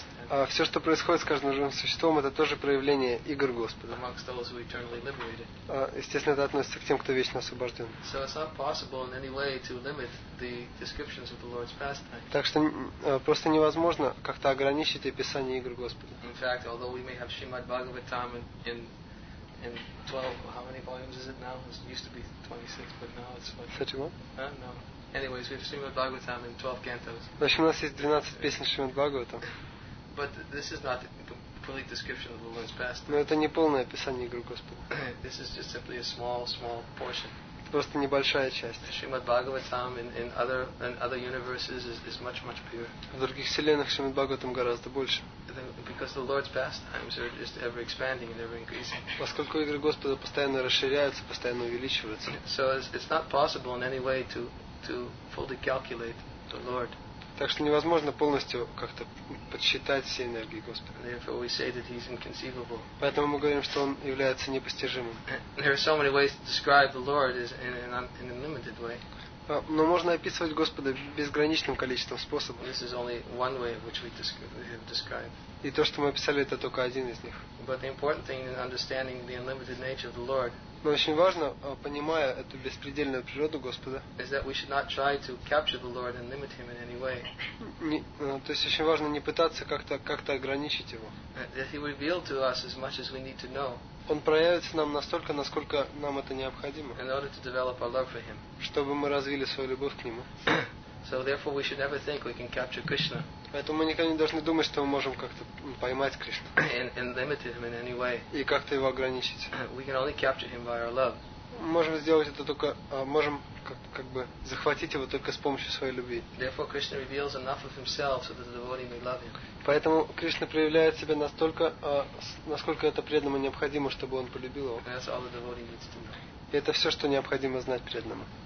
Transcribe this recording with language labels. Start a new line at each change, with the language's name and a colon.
Russian: А все, что происходит с каждым живым существом, это тоже проявление игр Господа.
English: Amongst those who eternally liberated.
Russian: Естественно, это относится к тем, кто вечно освобожден.
English: So it's not possible in any way to limit the descriptions of the Lord's pastimes.
Russian: Так что просто невозможно как-то ограничить описание игр Господа.
English: In fact, although we may have Srimad Bhagavatam in 12, how many volumes is it now? It used to be 26, but now it's what? 31? No. Anyways, we have Srimad Bhagavatam in 12 cantos.
Russian: В общем, у нас есть 12 песен Шримад Бхагаватам.
English: But this is not a complete description of the Lord's pastimes.
Russian: Но это не полное описание игры Господа.
English: This is just simply a small portion.
Russian: это просто небольшая часть.
English: Шримад-Бхагаватам in other universes is much, much pure.
Russian: В других вселенных Шримад-Бхагаватам гораздо больше.
English: Because the Lord's pastimes are just ever expanding and ever increasing.
Russian: Поскольку игры Господа постоянно расширяются, постоянно увеличиваются.
English: So it's not possible in any way to fully calculate the Lord.
Russian: Так что невозможно полностью как-то подсчитать все энергии Господа.
English: Therefore we say that he's inconceivable.
Russian: Поэтому мы говорим, что он является непостижимым.
English: There are so many ways to describe the Lord in a limited way.
Russian: Но можно описывать Господа безграничным количеством способов.
English: This is only one way which we have described.
Russian: И то, что мы описали, это только один из них.
English: But the important thing in understanding the unlimited nature of the Lord.
Russian: Но очень важно, понимая эту беспредельную природу Господа,
English: is that we should not try to capture the Lord and limit him in any way.
Russian: То есть очень важно не пытаться как-то ограничить его.
English: That he revealed to us as much as we need to know.
Russian: Он проявится нам настолько, насколько нам это необходимо.
English: In order to develop our love for him.
Russian: Чтобы мы развили свою любовь к нему.
English: So therefore we should never think we can capture Krishna.
Russian: Поэтому мы никогда не должны думать, что мы можем как-то поймать Кришну.
English: And limit him in any way.
Russian: И как-то его ограничить.
English: We can only capture him by our love.
Russian: Можем сделать это только, можем как бы захватить его только с помощью своей любви.
English: Therefore Krishna reveals enough of himself so that the devotee may love him.
Russian: Поэтому Кришна проявляет себя настолько, насколько это преданному необходимо, чтобы он полюбил его.
English: That's all the devotee needs to know.
Russian: И это все, что необходимо знать преданному.